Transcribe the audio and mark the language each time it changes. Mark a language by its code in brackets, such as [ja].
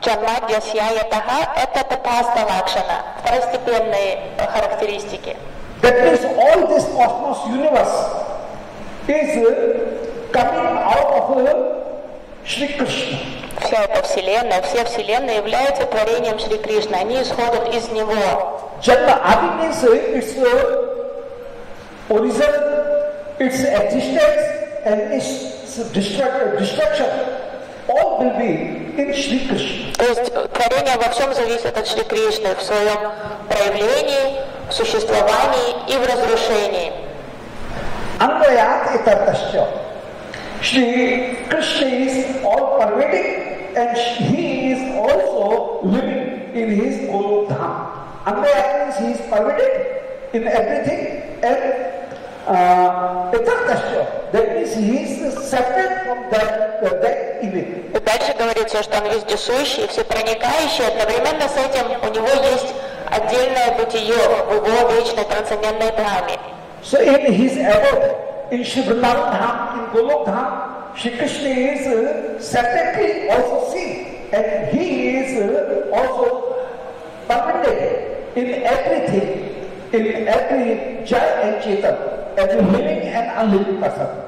[ru] Janma-dhyasi-yataha – это tatastha lakshana, второстепенные характеристики. [en] That means all this cosmos universe is coming out of Shri Krishna. [ru] Вся эта вселенная, все вселенные являются творением Шри Кришны, они исходят из Него. [en] Janma Adi means its origin, its existence and its destruction all will be in Shri Krishna. [ru] То есть творение во всем зависит от Шри Кришны, в своем проявлении, в существовании и в разрушении. [en] Anvayat Itartasya. Shri Krishna is all pervading. And he is also living in his Golok Dham. Anvaya means he is permitted in everything and Itartasya. That means he is separate from that evil. [ru] И дальше говорится, что он вездесущий, всепроникающий, одновременно с этим у него есть отдельное бытие в его вечной трансцендентной Дхаме. [en] So in his abode, in Shivrindavan Dham, in Golok Dham, Shri Krishna is separately also seen, and he is also permitted in everything, in every jaya and chetan, every living and unliving person.